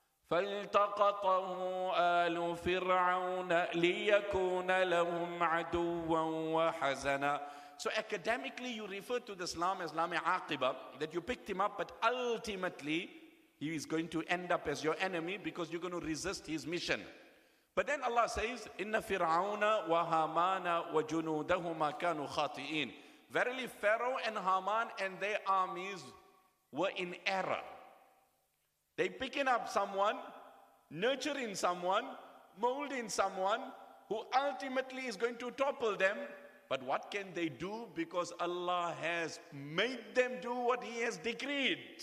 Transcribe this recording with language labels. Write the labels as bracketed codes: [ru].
[ar] فَالْتَقَطَهُ آلُ فِرْعَوْنَ لِيَكُونَ لَهُمْ عَدُوًا وَحَزَنًا. [en] So academically, you refer to the Islam as Lame Aqiba, that you picked him up, but ultimately, he is going to end up as your enemy because you're going to resist his mission. But then Allah says, [ar] إِنَّ فِرْعَوْنَ وَهَامَانَ وَجُنُودَهُمَا كَانُوا خَاطِئِينَ. [en] Verily, Pharaoh and Haman and their armies were in error. They picking up someone, nurturing someone, molding someone who ultimately is going to topple them. But what can they do? Because Allah has made them do what He has decreed.